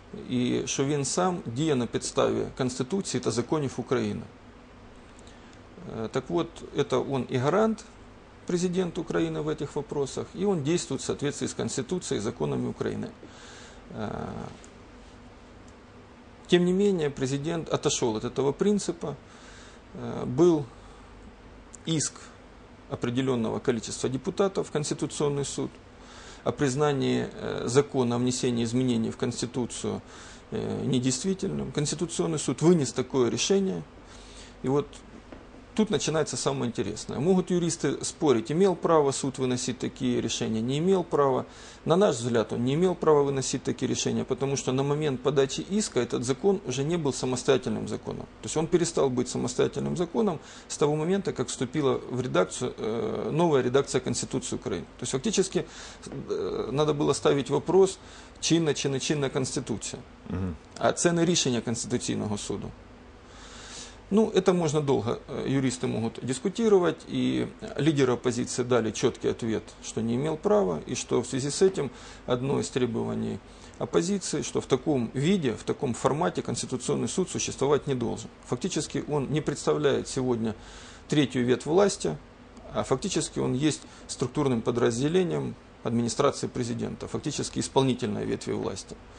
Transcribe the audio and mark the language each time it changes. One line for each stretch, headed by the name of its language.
Ukrainian: І що він сам діє на підставі Конституції та законів України.
Russian: Так вот, это он и гарант, президент Украины в этих вопросах, и он действует в соответствии с Конституцией и законами Украины. Тем не менее, президент отошел от этого принципа. Был иск определенного количества депутатов в Конституционный суд о признании закона о внесении изменений в Конституцию недействительным. Конституционный суд вынес такое решение. И вот тут начинается самое интересное. Могут юристы спорить, имел право суд выносить такие решения, не имел права. На наш взгляд, он не имел права выносить такие решения, потому что на момент подачи иска этот закон уже не был самостоятельным законом. То есть он перестал быть самостоятельным законом с того момента, как вступила в редакцию новая редакция Конституции Украины. То есть фактически надо было ставить вопрос,
Ukrainian: чинна чи не чинна Конституция. А це не рішення Конституційного суду.
Russian: Ну, это можно долго, юристы могут дискутировать, и лидеры оппозиции дали четкий ответ, что не имел права, и что в связи с этим одно из требований оппозиции, что в таком виде, в таком формате Конституционный суд существовать не должен. Фактически он не представляет сегодня третью ветвь власти, а фактически он есть структурным подразделением администрации президента, фактически исполнительной ветви власти.